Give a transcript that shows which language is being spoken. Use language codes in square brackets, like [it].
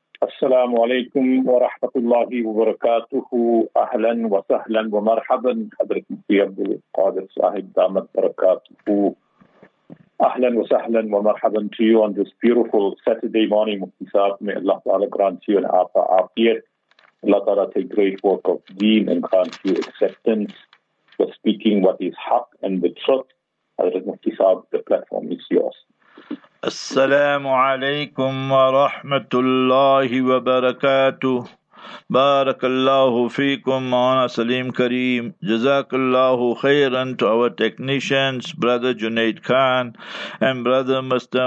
[ar] السلام عليكم ورحمة الله وبركاته. أهلا وسهلا ومرحبا حضرة المفتي عبد القادر صاحب دام بركاته. أهلا وسهلا ومرحبا [en] to you on this beautiful Saturday morning. مفتي صاحب, may Allah تعالى grant you an afa afiyat. Allah تعالى take great work of deen and grant you acceptance for speaking what is haq and the truth. حضرة المفتي صاحب, the platform is yours. [ar] السلام عليكم ورحمة الله وبركاته. بارك الله فيكم مولانا سليم كريم. جزاك الله خيرا [en] to our technicians, brother Junaid Khan and brother Mr.